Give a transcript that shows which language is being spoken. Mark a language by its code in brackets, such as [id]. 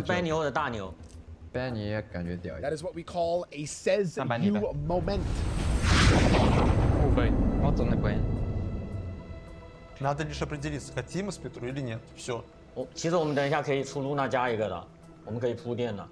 [en] That is what we call a says you moment. [ru] Надо лишь определиться, хотим мы с Петру или нет. Все. [zh] 其实我们等一下可以出 Luna 加一个的，我们可以铺垫的.